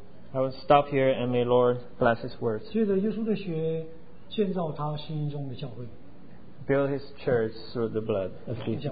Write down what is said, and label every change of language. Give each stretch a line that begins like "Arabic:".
English: I will stop here and may Lord bless His words.
Chinese: 借着耶稣的血建造他心中的教会。
English: Build His church through the blood of Jesus.